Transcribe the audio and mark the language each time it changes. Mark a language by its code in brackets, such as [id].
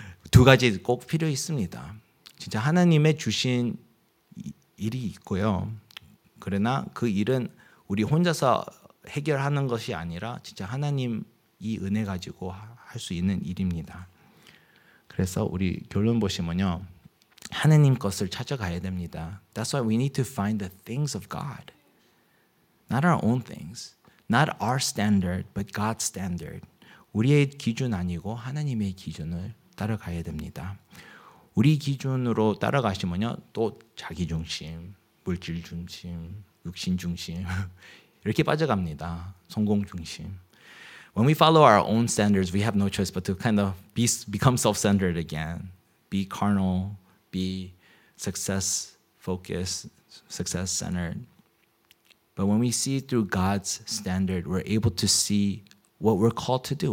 [ko] 두 가지 꼭 필요 있습니다. 진짜 하나님의 주신 일이 있고요. 그러나 그 일은 우리 혼자서 해결하는 것이 아니라 진짜 하나님 이 은혜 가지고 할 수 있는 일입니다. 그래서 우리 결론 보시면요. 하나님 것을 찾아가야 됩니다. [en] That's why we need to find the things of God. Not our own things. Not our standard, but God's standard. [ko] 우리의 기준 아니고 하나님의 기준을 따라가야 됩니다. 우리 기준으로 따라가시면요. 또 자기 중심, 물질 중심, 육신 중심 이렇게 빠져갑니다. 성공 중심. [en] When we follow our own standards, we have no choice but to kind of become self-centered again. Be carnal, be success-focused, success-centered. But when we see through God's standard, we're able to see what we're called to do.